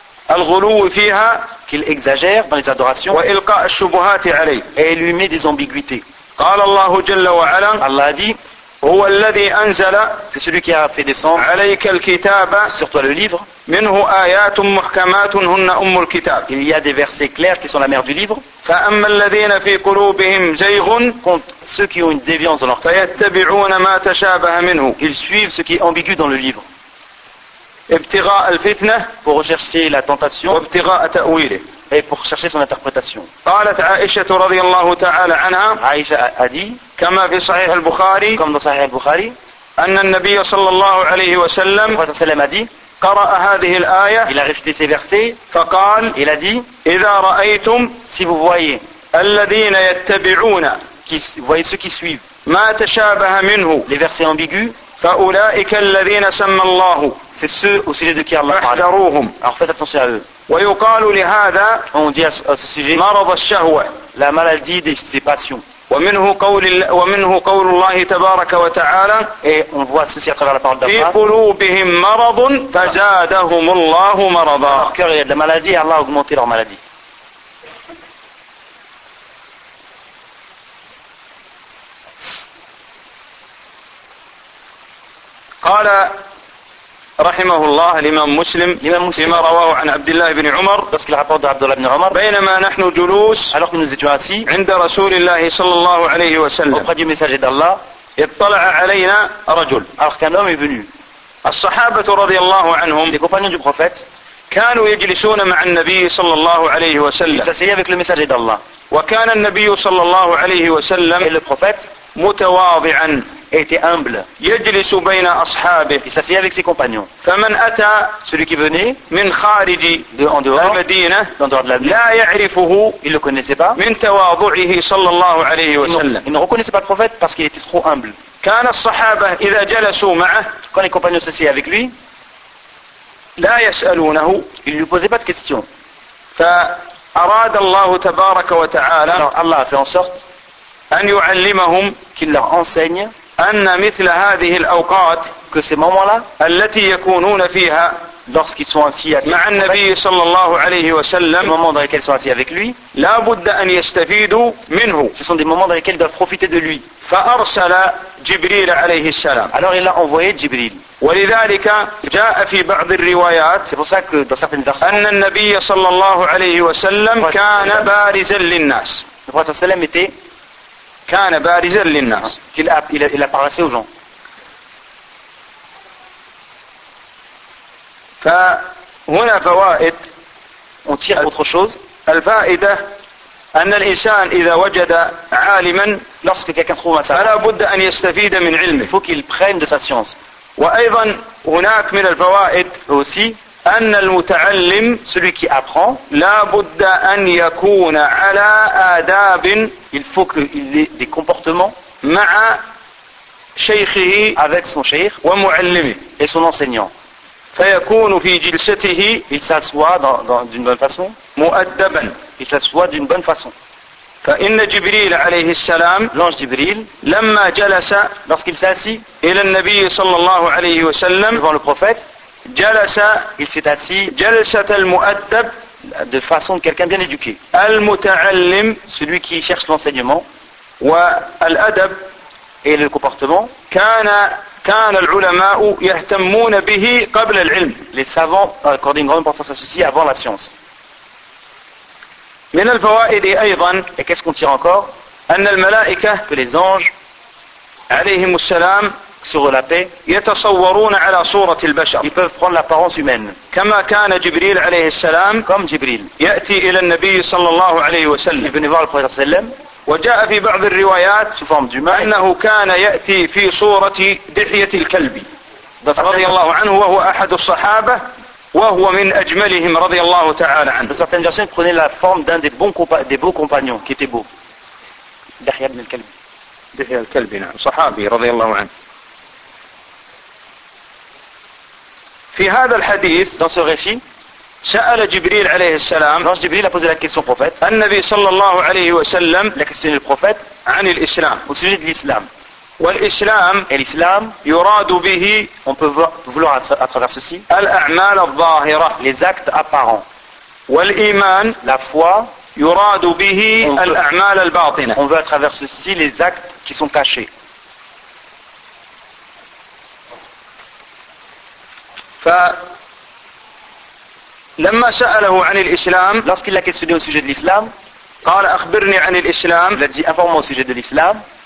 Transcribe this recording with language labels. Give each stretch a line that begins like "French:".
Arabic: الغلو فيها,
French: qu'il exagère dans les adorations,
Arabic: وإلقاء الشبهات عليه,
French: et lui met des ambiguïtés.
Arabic: قال الله جل وعلا,
French: Allah a dit,
Arabic: هو الذي أنزل,
French: c'est celui qui a fait descendre,
Arabic: عليك الكتاب,
French: sur toi le livre,
Arabic: منه آيات محكمات هن أم الكتاب,
French: il y a des versets clairs qui sont la mère du livre,
Arabic: فأما الذين في قلوبهم زيغ,
French: contre ceux qui ont une déviance dans leur cœur,
Arabic: فيتبعون ما تشابه منه,
French: ils suivent ce qui est ambigu dans le livre,
Arabic: ابتغاء الفتنة,
French: pour rechercher la tentation,
Arabic: وابتغاء تأويله,
French: et pour chercher son interprétation.
Arabic: قالت عائشة رضي الله تعالى عنها,
French: عائشة a dit,
Arabic: كما في صحيح البخاري,
French: comme dans صحيح البخاري,
Arabic: أن النبي صلى الله عليه وسلم,
French: le prophète
Arabic: صلى الله عليه وسلم
French: a dit,
Arabic: قرأ هذه الآية,
French: il a récité ces versets,
Arabic: فقال,
French: il a dit,
Arabic: إذا رأيتم,
French: si vous voyez,
Arabic: الذين يتبعون,
French: vous voyez ceux qui suivent,
Arabic: ما تشابه منه,
French: les versets ambigus,
Arabic: فأولئك الذين سمى الله,
French: c'est ceux au sujet de qui Allah parle,
Arabic: احذروهم,
French: alors faites attention à eux.
Arabic: ويقال لهذا,
French: on dit à ce sujet,
Arabic: مرض الشهوة,
French: la maladie de ses passions.
Arabic: ومنه قول الله تبارك وتعالى,
French: et on voit ceci à travers la parole d'Allah,
Arabic: في قلوبهم مرض فزادهم الله مرضا,
French: dans leur cœur il y a de la maladie, Allah a augmenté leur maladie.
Arabic: قال رحمه الله الإمام مسلم,
French: l'imam muslim,
Arabic: فيما رواه عن عبد الله بن عمر,
French: parce qu'il rapporte عبد الله بن عمر,
Arabic: بينما نحن جلوس,
French: alors que nous étions assis,
Arabic: عند رسول الله صلى الله عليه وسلم,
French: auprès du messager d'Allah,
Arabic: اطلع علينا رجل,
French: alors qu'un homme est venu,
Arabic: الصحابة رضي الله عنهم,
French: les compagnons du prophète,
Arabic: كانوا يجلسون مع النبي صلى الله عليه وسلم,
French: ils s'asseyaient avec le messager d'Allah,
Arabic: وكان النبي صلى الله عليه وسلم,
French: et le prophète,
Arabic: متواضعا,
French: était humble,
Arabic: يجلس بين أصحابه,
French: il s'assied avec ses compagnons,
Arabic: فمن أتى,
French: celui qui venait,
Arabic: من خارج,
French: en dehors,
Arabic: المدينة,
French: en dehors de la ville,
Arabic: لا يعرفه,
French: il le connaissait pas,
Arabic: من تواضعه صلى الله عليه وسلم,
French: il ne reconnaissait pas le prophète parce qu'il était trop humble.
Arabic: كان الصحابة إذا جلسوا معه,
French: quand les compagnons s'assied avec lui,
Arabic: لا يسألونه,
French: il ne lui posait pas de questions.
Arabic: فأراد الله تبارك وتعالى,
French: alors Allah a fait en sorte,
Arabic: أن يعلمهم,
French: qu'il leur enseigne,
Arabic: أن مثل هذه الأوقات,
French: que que ces moments-là,
Arabic: التي يكونون فيها,
French: lorsqu'ils sont ainsi assis
Arabic: مع النبي صلى الله عليه وسلم,
French: les moments dans lesquels ils sont assis avec lui,
Arabic: لا بد أن يستفيدوا منه,
French: ce sont des moments dans lesquels ils doivent profiter de lui.
Arabic: فأرسل جبريل عليه السلام.
French: Alors il a envoyé Jibril.
Arabic: ولذلك جاء في بعض الروايات,
French: c'est pour ça que dans certaines versions,
Arabic: أن النبي صلى الله عليه وسلم كان بارزا للناس.
French: Le prophète sallam était
Arabic: كان بارزا للناس.
French: Il apparaissait aux gens.
Arabic: فهنا فوائد,
French: on tire autre chose.
Arabic: الفائدة أن الإنسان إذا وجد عالما,
French: lorsque quelqu'un trouve un savant,
Arabic: فلا بد أن يستفيد من علمه.
French: Il faut qu'il prenne de sa science.
Arabic: وأيضا هناك من الفوائد
French: aussi,
Arabic: أن المتعلم,
French: celui qui apprend,
Arabic: لا بد أن يكون على آداب,
French: il faut qu'il ait des comportements,
Arabic: مع شيخه,
French: avec son شيخ,
Arabic: ومعلمه,
French: et son enseignant.
Arabic: فيكون في جلسته,
French: il s'assoit d'une bonne façon,
Arabic: مؤدبا,
French: il s'assoit d'une bonne façon.
Arabic: فإن جبريل عليه السلام,
French: l'ange Jibril,
Arabic: لما جلس,
French: lorsqu'il s'assit,
Arabic: إلى النبي صلى الله عليه وسلم,
French: devant le prophète,
Arabic: جلس,
French: il s'est assis,
Arabic: جلسة المؤدب,
French: de façon de quelqu'un bien éduqué,
Arabic: المتعلم,
French: celui qui cherche l'enseignement,
Arabic: والأدب,
French: et le comportement,
Arabic: كان العلماء يهتمون به قبل العلم.
French: Les savants accordaient une grande importance à ceci avant la science.
Arabic: من الفوائد أيضا,
French: et qu'est-ce qu'on tire encore,
Arabic: أن الملائكة,
French: que les anges
Arabic: عليهم السلام,
French: sur la paix,
Arabic: يتصورون على صورة البشر,
French: ils peuvent prendre l'apparence humaine,
Arabic: كما كان جبريل عليه السلام,
French: comme Jibril,
Arabic: يأتي إلى النبي صلى الله عليه وسلم,
French: il venait voir le prophète
Arabic: صلى الله عليه وسلم. وجاء في بعض الروايات أنه كان يأتي في صورة دحية الكلب رضي الله عنه, وهو أحد الصحابة, وهو من أجملهم رضي الله تعالى عنه.
French: Dans certaines versions, il prenait la forme d'un des bons des beaux compagnons qui était beau.
Arabic: دحية بن الكلب. دحية الكلب, نعم, صحابي رضي الله عنه. في هذا الحديث,
French: dans ce récit,
Arabic: سأل جبريل عليه السلام,
French: l'ange Jibril a posé la question au prophète,
Arabic: النبي صلى الله عليه وسلم,
French: la question du prophète,
Arabic: عن الإسلام,
French: au sujet de l'islam.
Arabic: والإسلام,
French: et l'islam,
Arabic: يراد به,
French: on peut vouloir à travers ceci,
Arabic: الأعمال الظاهرة,
French: les actes apparents.
Arabic: والإيمان,
French: la foi,
Arabic: يراد به الأعمال الباطنة,
French: on veut à travers ceci les actes qui sont cachés.
Arabic: لما سأله عن الإسلام,
French: lorsqu'il l'a questionné au sujet de l'islam,
Arabic: قال أخبرني عن الإسلام,
French: il a dit informe-moi au sujet de l'islam,